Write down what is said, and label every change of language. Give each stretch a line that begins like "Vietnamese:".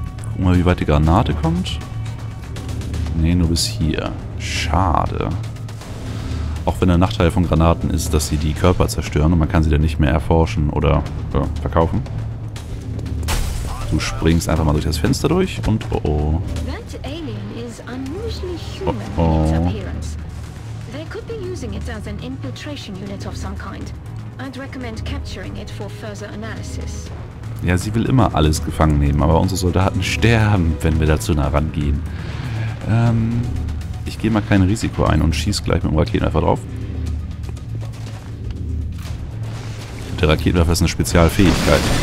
German: Gucken wir mal, wie weit die Granate kommt. Nee, nur bis hier. Schade. Auch wenn der Nachteil von Granaten ist, dass sie die Körper zerstören und man kann sie dann nicht mehr erforschen oder verkaufen. Du springst einfach mal durch das Fenster durch und oh oh.
English: That alien is unusually human in its appearance. They could be using it as an infiltration unit of some kind. I'd recommend capturing it for further analysis.
German: Ja, sie will immer alles gefangen nehmen, aber unsere Soldaten sterben, wenn wir dazu nah rangehen. Ich gehe mal kein Risiko ein und schieße gleich mit dem Raketenwerfer drauf. Der Raketenwerfer ist eine Spezialfähigkeit.